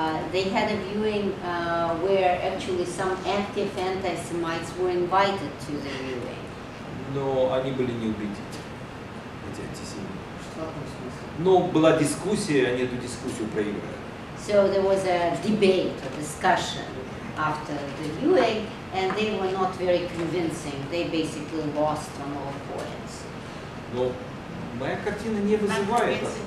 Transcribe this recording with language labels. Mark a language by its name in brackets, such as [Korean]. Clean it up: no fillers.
[English] They had a viewing where actually some active anti-Semites were invited to the viewing. [Russian] Но они были неубедительны, эти антисемиты. Ну, была дискуссия, они эту дискуссию проиграли. [English] So there was a debate, a discussion after the viewing, and they were not very convincing. They basically lost on all points. [Russian] Но моя картина не вызывает...